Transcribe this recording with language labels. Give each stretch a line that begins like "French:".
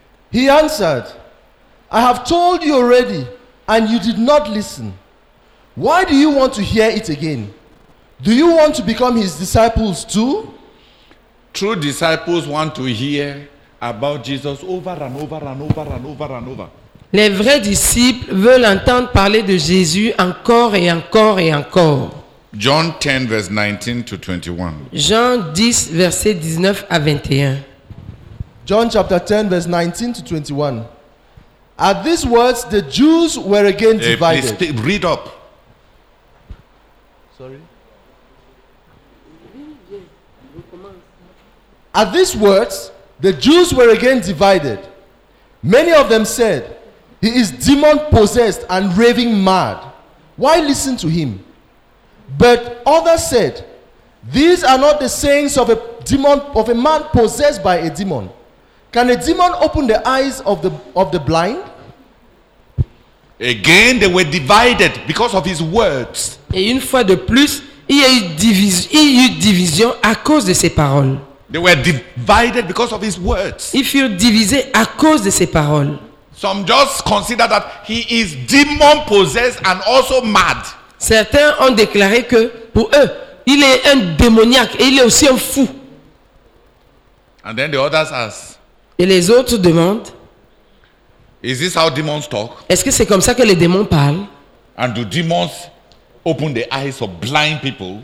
English: He answered, I have told you already, and you did not listen. Why do you want to hear it again? Do you want to become his disciples too? True disciples want to hear about Jesus over and over and over and over and over.
French: Les vrais disciples veulent entendre parler de Jésus encore et encore et encore.
English: John 10 verse 19 to 21.
French: Jean 10 verset 19 à 21.
English: John chapter 10 verse 19 to 21. At these words the Jews were again divided. Read up. Sorry. At these words, the Jews were again divided. Many of them said, he is demon-possessed and raving mad. Why listen to him? But others said, these are not the sayings of a man possessed by a demon. Can a demon open the eyes of the blind? Again, they were divided because of his words.
French: Et une fois de plus, il y eut division à cause de ses paroles.
English: They were divided because of his words.
French: Ils furent divisés à cause de ses paroles.
English: Some just consider that he is demon possessed and also mad.
French: Certains ont déclaré que pour eux, il est un démoniaque et il est aussi un fou.
English: And then the others ask.
French: Et les autres demandent.
English: Is this how demons talk?
French: Est-ce que c'est comme ça que les démons parlent?
English: And do demons open the eyes of blind people?